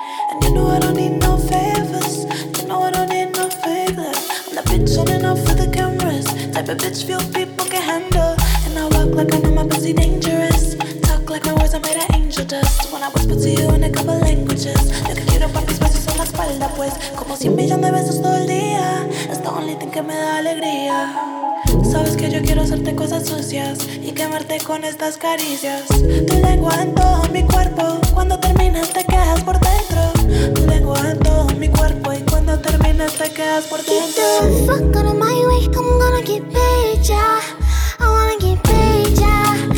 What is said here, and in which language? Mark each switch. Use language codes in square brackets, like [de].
[en] And you know I don't need no favors. You know I don't need no favors. I'm that bitch on and off for the cameras. Type of bitch few people can handle. And I walk like I know my pussy dangerous. Talk like my words are made of angel dust. When I whisper to you in a couple languages. [es] Lo que quiero pa' mis besos en la espalda pues. Como 100 millones de besos todo el día. [en] It's the only thing [es] que me da alegría. Sabes que yo quiero hacerte cosas sucias y quemarte con estas caricias. Tu lengua en todo mi cuerpo, cuando terminas te quedas por dentro. Tu lengua en todo mi cuerpo y cuando terminas te quedas por dentro. [en] Get the fuck out of my way, I'm gonna get paid, yeah. I wanna get paid, yeah.